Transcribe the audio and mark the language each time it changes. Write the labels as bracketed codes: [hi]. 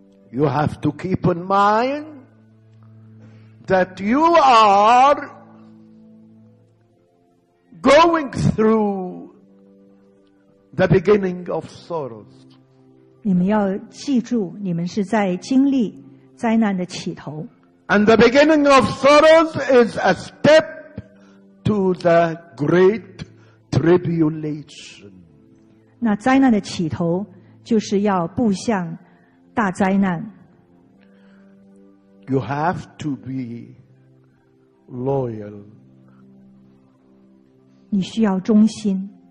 [en] you have to keep in mind that you are going through the beginning of sorrows. [zh] 你们要记住，你们是在经历灾难的起头。 [en] And the beginning of sorrows is a step to the great tribulation. [zh] 那灾难的起头就是要步向大灾难。 [en] You have to be loyal. [zh] 你需要忠心。